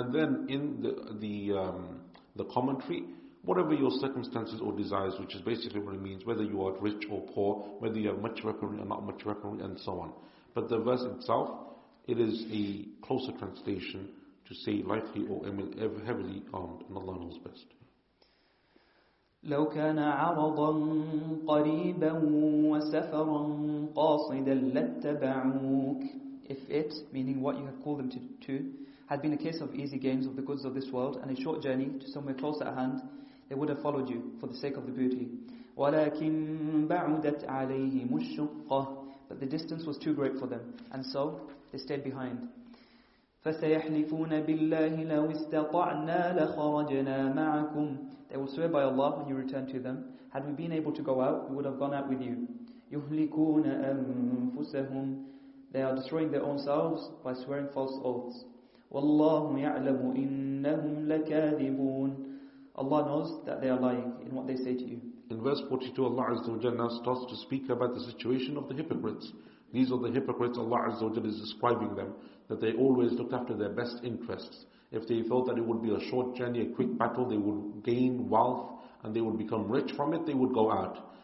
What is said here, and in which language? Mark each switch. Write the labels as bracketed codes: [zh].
[en] And then in the commentary, whatever your circumstances or desires, which is basically what it means, whether you are rich or poor, whether you have much weaponry or not much weaponry, and so on. But the verse itself, it is a closer translation to say lightly or heavily armed, and Allah knows best. [ar] لو كان عرضا قريبا وسفرا قاصدا لاتبعوك. [en] If it, meaning what you have called them to, had been a case of easy gains of the goods of this world and a short journey to somewhere close at hand, they would have followed you for the sake of the booty. [ar] ولكن بعدت عليهم الشقة. [en] But the distance was too great for them, and so they stayed behind. [ar] فسيحلفون بالله لو استطعنا لخرجنا معكم. [en] They will swear by Allah when you return to them, had we been able to go out, we would have gone out with you. [ar] يهلكون أنفسهم. [en] They are destroying their own selves by swearing false oaths. [ar] والله يعلم إنهم لكاذبون. [en] Allah knows that they are lying in what they say to you. In verse 42, Allah Azza wa Jalla now starts to speak about the situation of the hypocrites. These are the hypocrites. Allah Azza wa Jalla is describing them, that they always looked after their best interests. If they thought that it would be a short journey, a quick battle, they would gain wealth and they would become rich from it, they would go out.